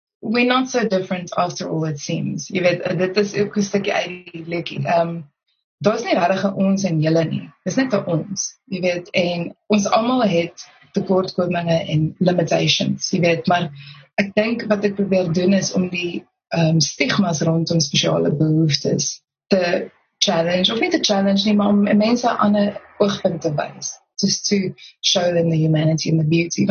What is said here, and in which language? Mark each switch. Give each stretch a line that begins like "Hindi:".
English: We're not so different after all it seems.
Afrikaans: Jy weet, dit is ook 'n stukkie uit die lekkie. Daar is nie regtig 'n ons en julle nie. Dit is net 'n ons. Jy weet, en ons allemaal het tekortkominge en limitations. Jy weet, maar ek denk wat ek probeer doen is om die stigmas rondom speciale behoeftes te challenge, of nie te challenge nie, maar om mense aan een oogpunt te wys.
English: Just to show them the humanity and the beauty.